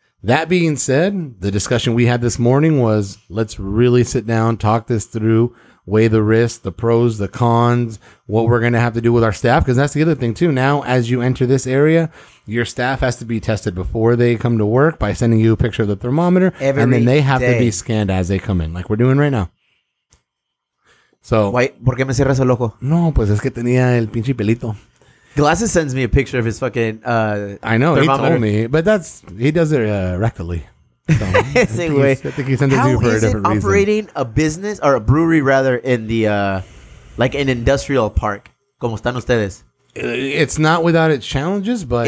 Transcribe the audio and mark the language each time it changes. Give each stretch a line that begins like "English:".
English: That being said, the discussion we had this morning was, let's really sit down, talk this through, weigh the risks, the pros, the cons, what we're going to have to do with our staff, because that's the other thing too. Now, as you enter this area, your staff has to be tested before they come to work by sending you a picture of the thermometer, every and then they have day. To be scanned as they come in, like we're doing right now. So,
Spanish: why? ¿Por qué me cierras el ojo? No, pues es que tenía el pinche pelito.
English: Glasses sends me a picture of his fucking I know, he told me, but that's, he does it rectally. So anyway, I think he sends it to you for a different reason. How is it operating a business, or a brewery rather, in the, like an industrial park?
Spanish: ¿Cómo están ustedes?
English: It's not without its challenges, but...